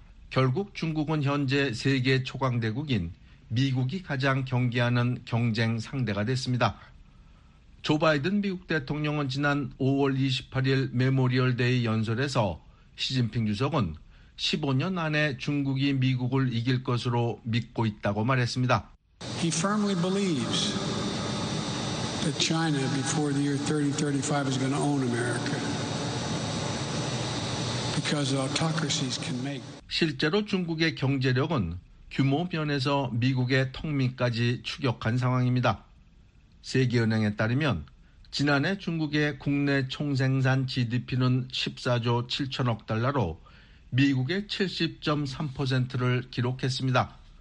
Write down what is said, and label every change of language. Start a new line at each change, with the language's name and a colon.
Korean: 결국 중국은 현재 세계 초강대국인 미국이 가장 경계하는 경쟁 상대가 됐습니다. 조 바이든 미국 대통령은 지난 5월 28일 메모리얼 데이 연설에서 시진핑 주석은 15년 안에 중국이 미국을 이길 것으로 믿고 있다고 말했습니다.
English: He firmly believes that China before the year 3035 is going to own America because autocracies can make.
Korean: 실제로 중국의 경제력은 규모 면에서 미국의 통미까지 추격한 상황입니다. 세계은행에 따르면 지난해 중국의 국내 총생산 GDP는 14조 7천억 달러로 미국의 70.3%를 기록했습니다.